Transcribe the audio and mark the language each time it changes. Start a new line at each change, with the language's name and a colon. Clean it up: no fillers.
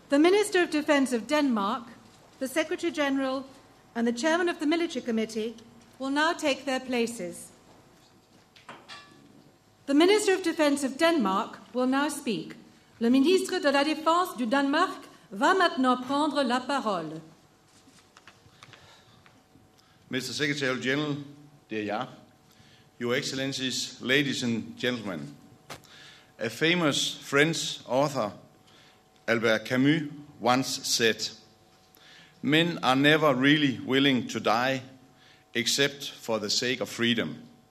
English: The Minister of Defence of Denmark, the Secretary General, and the Chairman of the Military Committee will now take their places. The Minister of Defence of Denmark will now speak.
French: Le ministre de la Défense du Danemark va maintenant prendre la parole.
English: Mr. Secretary General, dear Jarl, Your Excellencies, ladies and gentlemen, a famous French author, Albert Camus, once said, "Men are never really willing to die except for the sake of freedom.